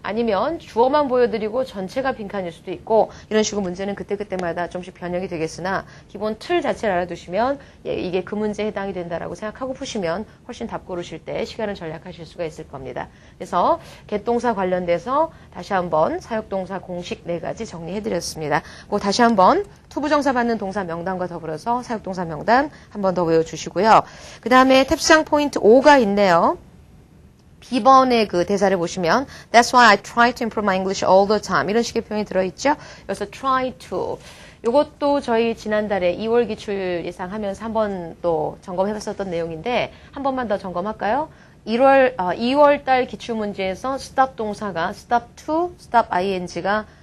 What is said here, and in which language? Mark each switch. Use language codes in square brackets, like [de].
[ko] 아니면 주어만 보여드리고 전체가 빈칸일 수도 있고 이런 식으로 문제는 그때그때마다 좀씩 변형이 되겠으나 기본 틀 자체를 알아두시면 예, 이게 그 문제에 해당이 된다라고 생각하고 푸시면 훨씬 답 고르실 때 시간을 절약하실 수가 있을 겁니다. 그래서 get 동사 관련돼서 다시 한번 사역 동사 공식 네 가지 정리해 드렸습니다. 그리고 다시 한번 to 부정사 받는 동사 명단과 더불어서 사역 동사 명단 한번더 외워주시고요. 그 다음에 탭상 포인트 5가 있네요. B번의 그 대사를 보시면 [en] That's why I try to improve my English all the time. [ko] 이런 식의 표현이 들어있죠. 여기서 try to. 이것도 저희 지난달에 2월 기출 예상하면서 한번 또 점검해봤었던 내용인데 한 번만 더 점검할까요? 2월달 기출 문제에서 stop 동사가 stop to, stop ing가